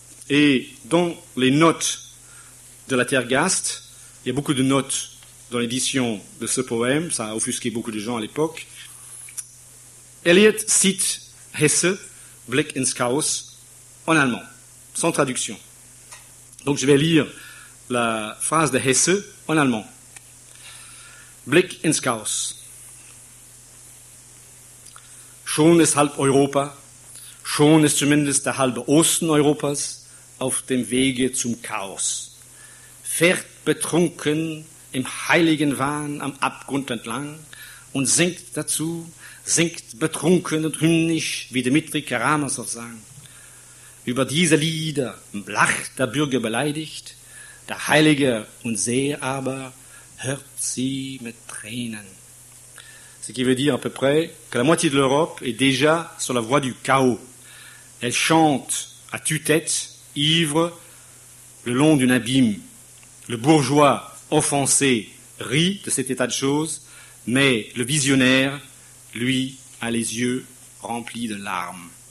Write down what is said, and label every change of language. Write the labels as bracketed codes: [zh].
[fr] Et dans les notes de la Tergast, il y a beaucoup de notes dans l'édition de ce poème, ça a offusqué beaucoup de gens à l'époque. Eliot cite Hesse, Blick ins Chaos, en allemand. Sans traduction. Donc je vais lire la phrase de Hesse en allemand. [de] Blick ins Chaos. Schon ist halb Europa, schon ist zumindest der halbe Osten Europas auf dem Wege zum Chaos. Fährt betrunken im heiligen Wahn am Abgrund entlang und singt dazu, singt betrunken und hymnisch, wie Dmitri Karamasow sang. Über diese Lieder lacht der Bürger beleidigt, der Heilige und Seher aber hört sie mit Tränen. [fr] Ce qui veut dire à peu près que la moitié de l'Europe est déjà sur la voie du chaos. Elle chante à tue-tête, ivre, le long d'un abîme. Le bourgeois offensé rit de cet état de choses, mais le visionnaire, lui, a les yeux remplis de larmes.